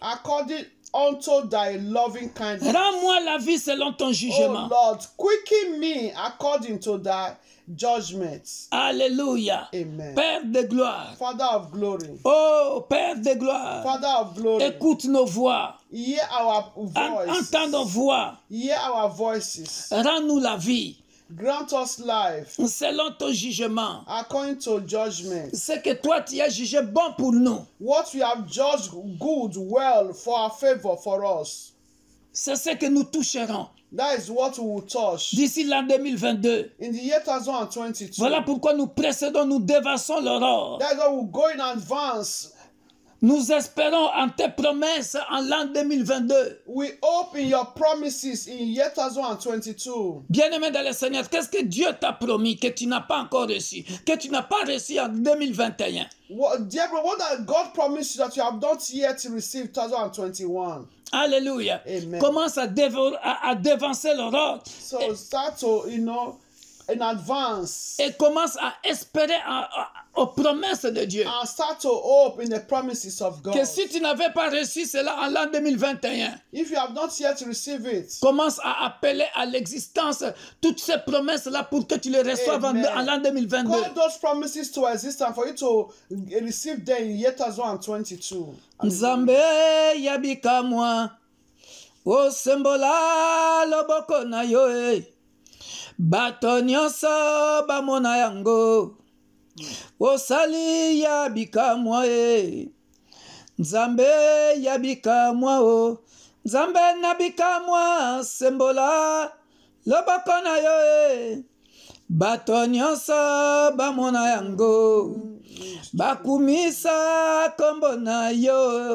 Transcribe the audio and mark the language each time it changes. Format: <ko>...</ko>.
<en>According unto thy loving kindness.</en> <fr>Rends-moi la vie selon ton jugement.</fr> <en>Oh Lord, quicken me according to thy judgment.</en> <fr>Alléluia.</fr> <en>Amen.</en> <fr>Père de gloire.</fr> <en>Father of glory.</en> <fr>Oh, Père de gloire.</fr> <en>Father of glory.</en> <fr>Écoute nos voix.</fr> <en>Hear our voices.</en> <fr>Entends nos voix.</fr> <en>Hear our voices.</en> <fr>Rends-nous la vie.</fr> <en>Grant us life.</en> <fr>Selon ton jugement.</fr> <en>According to judgment.</en> <fr>Ce que toi tu as jugé bon pour nous.</fr> <en>What we have judged good, well, for our favor, for us.</en> <fr>C'est ce que nous toucherons.</fr> <en>That is what we will touch.</en> <fr>D'ici l'an 2022.</fr> <en>In the year 2022.</en> <fr>Voilà pourquoi nous précédons, nous dévassons l'aurore.</fr> <en>That is why we go in advance.</en> <fr>Nous espérons en tes promesses en l'an 2022.</fr> <en>We hope in your promises in year 2022.</en> <fr>Bien-aimé dans le Seigneur, qu'est-ce que Dieu t'a promis que tu n'as pas encore reçu, que tu n'as pas reçu en 2021?</fr> <en>Well, dear, what that God promised you that you have not yet received 2021?</en> <fr>Alléluia.</fr> <en>Amen.</en> <fr>Commence à dévancer l'aurore.</fr> <en>So start to, you know, in advance.</en> <fr>Et commence à espérer aux promesses de Dieu.</fr> <en>And start to hope in the promises of God.</en> <fr>Que si tu n'avais pas reçu cela en l'an 2021,</fr> <en>if you have not yet received it,</en> <fr>commence à appeler à l'existence toutes ces promesses-là pour que tu les reçoives en l'an 2022.</fr> <en>Call those promises to exist and for you to receive them in yet as well in 22.</en> <ln>Nzambe yabika mwa. O sembola loboko na yo e bato nyoso ba mona yango o sali ya bikamwa e nzambe ya bikamwa o nzambe na bikamwa sembola loboko na yo e bato nyoso ba mona yango bakumisa kombo na yo.</ln>